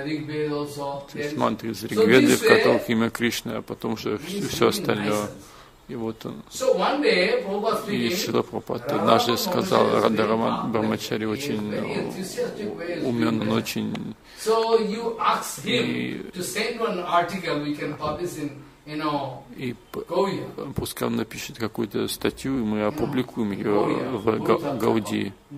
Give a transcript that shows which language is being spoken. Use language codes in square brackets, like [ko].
[ru] То есть мантры из Ригведы, в которых имя Кришны, а потом уже все остальное. И вот он. И Шрила Прабхупада однажды сказал, Радхараман Брахмачари очень умен, он очень. [en] So you ask him to send one article we can publish in, [ru] и пускай он напишет какую-то статью, и мы опубликуем ее в Гаудии.